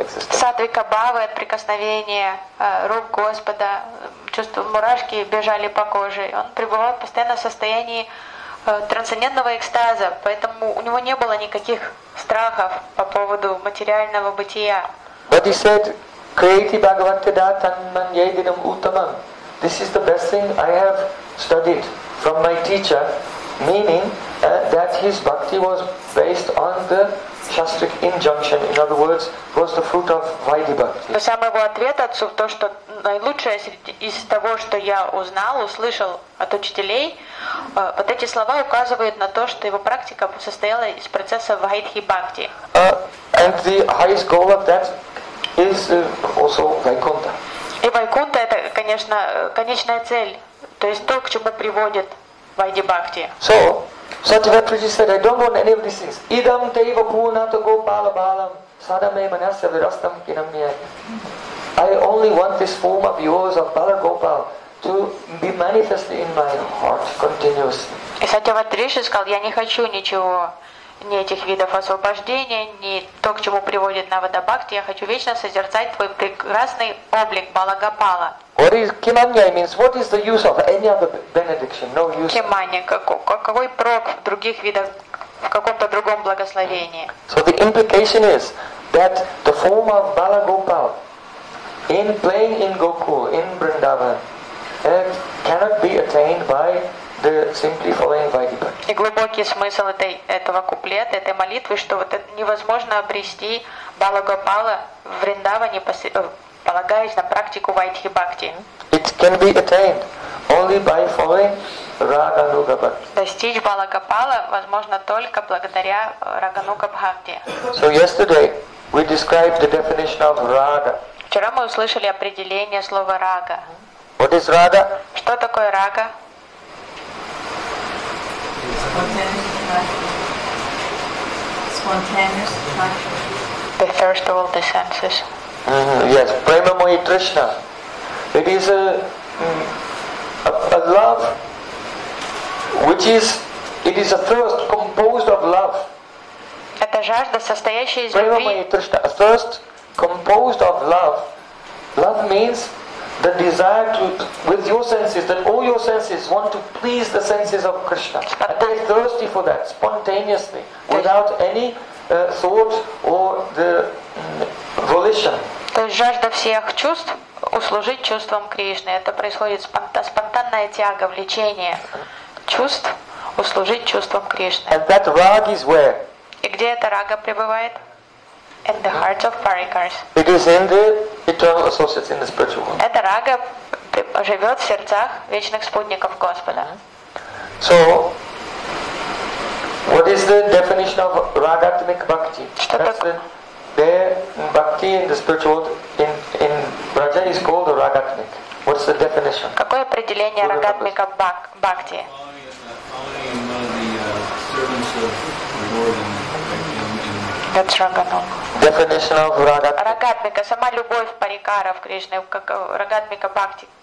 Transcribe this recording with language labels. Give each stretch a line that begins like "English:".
Russian: сатвика бхавы от прикосновения рук Господа, чувства мурашки бежали по коже. Он пребывал постоянно в состоянии трансцендентного экстаза, поэтому у него не было никаких страхов по поводу материального бытия.
English: But he said,
Sanskrit: "Kriti Bhagavate Da Tanman Yedinam Uttamam."
English: This is the best thing I have studied from my teacher, meaning that his bhakti was based on the shastric injunction. In other words, was the fruit of Vaidhi Bhakti.
Russian: Но сам его ответ отцу в то, что наилучшее из того, что я узнал, услышал от учителей, вот эти слова указывают на то, что его практика состояла из процесса Vaidhi Bhakti.
English: And the highest goal of that is also Vaikuntha.
Russian: И Вайкунта это, конечно, конечная цель, то есть то, к чему приводит Vaidhi Bhakti.
English: So, Satyavatrishi said, I don't want any of these things.
Sanskrit: Idam teva punato gopala balam sadame manasya virastam kinamye.
English: I only want this form of yours, of Bala Gopal, to be manifested in my heart continuously.
Russian: И Сатьяватриши сказал, я не хочу ничего, ни этих видов освобождения, ни то, к чему приводит Навада Бхакти. Я хочу вечно созерцать твой прекрасный облик Бала Гопала.
English: What is kimanya means? What is the use of any other benediction? No use.
Russian: Kimanya, какой прок в других видах, в каком-то другом благословении?
English: So the implication is that the form of Bala Gopal in playing in Gokul, in Vrindavan, cannot be attained by the simply following Vaidhi Bhakti.
Russian: И глубокий смысл этого куплета, этой молитвы, что вот это невозможно обрести Бала Гопала в Вриндаване, полагаясь на практику Vaidhi Bhakti.
English: It can be attained only by following Рагануга Бхакти.
Russian: Достичь Бала Гопала возможно только благодаря Рагануга Бхакти.
English: So yesterday we described the definition of Raga.
Russian: Вчера мы услышали определение слова рага.
English: What is рага?
Russian: Что такое рага?
English: The first of all the senses. Yes, prema mohi Krishna. It is a love which is, it is a thirst composed of love.
Russian: Это жажда, состоящая из любви.
English: Prema mohi Krishna, a thirst composed of love. Love means the desire to, with your senses, that all your senses want to please the senses of Krishna. And they're thirsty for that, spontaneously, without any thought or the volition.
Russian: То есть жажда всех чувств услужить чувствам Кришны. Это происходит спонтанная тяга, влечение чувств услужить чувствам Кришны.
English: And that rag is where?
Russian: И где эта рага пребывает?
English: In the hearts of Parikars. It is in the eternal associates, in the spiritual world.
Russian: Эта рага живет в сердцах вечных спутников Господа.
English: So, what is the definition of Radhatmik Bhakti?
Russian: Что
English: that's
Russian: так...
English: the bhakti in the spiritual world in Raja is called Radhatmik. What's the definition?
Russian: Какое определение Радхатмика Бхакти?
English: Definition of Радхатмика.
Russian: Радхатмика, сама любовь парикара в Кришне, как Радхатмика Бхакти.